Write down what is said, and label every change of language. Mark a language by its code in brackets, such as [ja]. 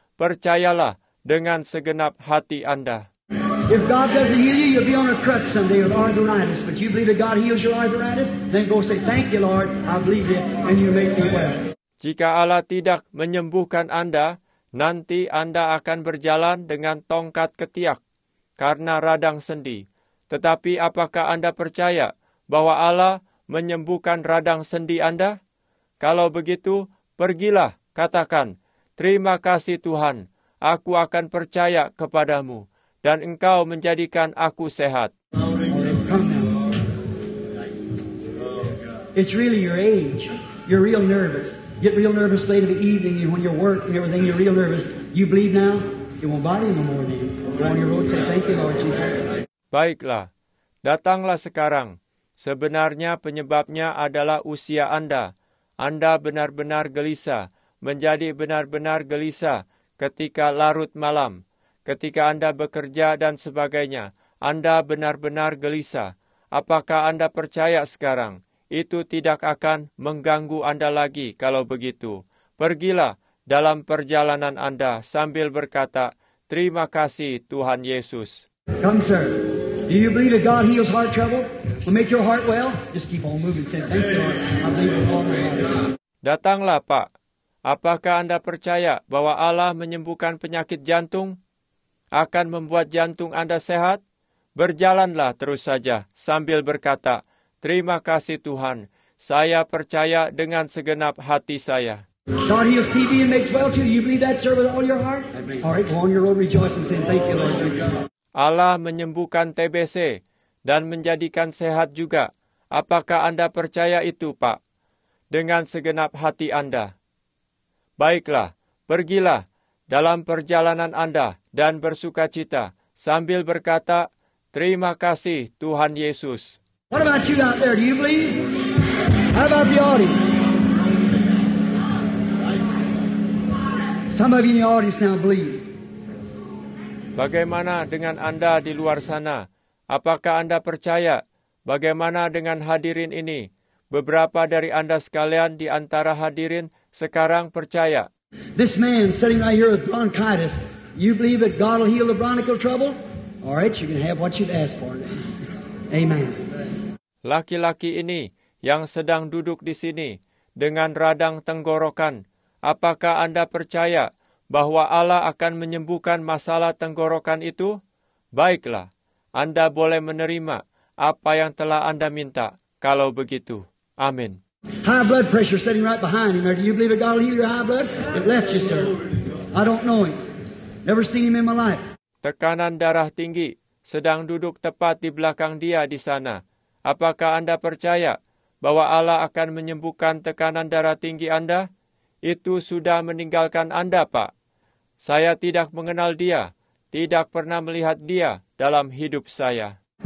[id] Percayalah dengan segenap hati Anda. [en] If God doesn't heal you, you'll be on a crutch someday with arthritis. But you believe that God heals your arthritis? Then go say, thank you, Lord. I believe it, and you make me well. [id] Jika Allah tidak menyembuhkan Anda, nanti Anda akan berjalan dengan tongkat ketiak karena radang sendi. Tetapi apakah Anda percaya bahwa Allah menyembuhkan radang sendi Anda? Kalau begitu, pergilah, katakan, terima kasih Tuhan, aku akan percaya kepadamu, dan engkau menjadikan aku sehat. [en] It's really your age. You're real nervous. Get real nervous late in the evening when you're work and everything, you're real nervous. You bleed now, it won't bother you no more then. Go on your road and say, thank you, Lord Jesus. [id] Baiklah, datanglah sekarang. Sebenarnya penyebabnya adalah usia Anda. Anda benar-benar gelisah, menjadi benar-benar gelisah ketika larut malam. Ketika Anda bekerja dan sebagainya, Anda benar-benar gelisah. Apakah Anda percaya sekarang? Itu tidak akan mengganggu Anda lagi kalau begitu. Pergilah dalam perjalanan Anda sambil berkata, "Terima kasih Tuhan Yesus." [en] Come, sir. Do you believe that God heals heart trouble? Will make your heart well? Just keep on moving. Say, thank you, Lord. I believe it all. [id] Datanglah, Pak. Apakah Anda percaya bahwa Allah menyembuhkan penyakit jantung akan membuat jantung Anda sehat? Berjalanlah terus saja sambil berkata, "Terima kasih Tuhan, saya percaya dengan segenap hati saya." [en] God heals TB and makes well too. You believe that, sir, with all your heart? All right, go on your road rejoicing, saying, "Thank you, Lord." [id] Allah menyembuhkan TBC dan menjadikan sehat juga. Apakah Anda percaya itu, Pak? Dengan segenap hati Anda. Baiklah, pergilah dalam perjalanan Anda dan bersukacita sambil berkata, "Terima kasih Tuhan Yesus." [en] What about you out there? Do you believe? How about the audience? Some of you in the audience now believe. [id] Bagaimana dengan Anda di luar sana? Apakah Anda percaya? Bagaimana dengan hadirin ini? Beberapa dari Anda sekalian di antara hadirin sekarang percaya. [en] This man sitting right here with bronchitis, you believe that God will heal the bronchial trouble? All right, you can have what you've asked for. Amen. [id] Laki-laki ini yang sedang duduk di sini dengan radang tenggorokan, apakah Anda percaya bahwa Allah akan menyembuhkan masalah tenggorokan itu? Baiklah, Anda boleh menerima apa yang telah Anda minta. Kalau begitu, amin. [en] High blood pressure sitting right behind him. Do you believe that God will heal your high blood? It left you, sir. I don't know him. Never seen him in my life. [id] Tekanan darah tinggi sedang duduk tepat di belakang dia di sana. Apakah Anda percaya bahwa Allah akan menyembuhkan tekanan darah tinggi Anda? Itu sudah meninggalkan Anda, Pak. Saya tidak mengenal dia, tidak pernah melihat dia dalam hidup saya.